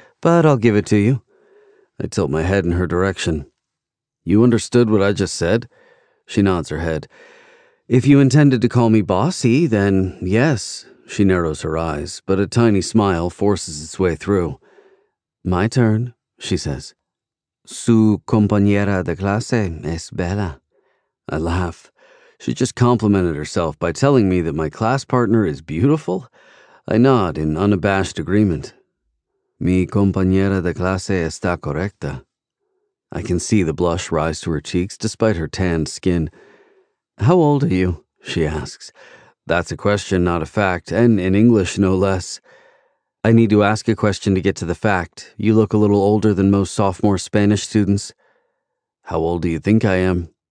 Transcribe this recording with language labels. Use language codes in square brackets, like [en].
[en] But I'll give it to you. I tilt my head in her direction. You understood what I just said? She nods her head. If you intended to call me bossy, then yes. She narrows her eyes, but a tiny smile forces its way through. My turn, she says. [es] Su compañera de clase es bella. [en] I laugh. She just complimented herself by telling me that my class partner is beautiful. I nod in unabashed agreement. [es] Mi compañera de clase está correcta. [en] I can see the blush rise to her cheeks despite her tanned skin. How old are you? She asks. That's a question, not a fact, and in English, no less. I need to ask a question to get to the fact. You look a little older than most sophomore Spanish students. How old do you think I am?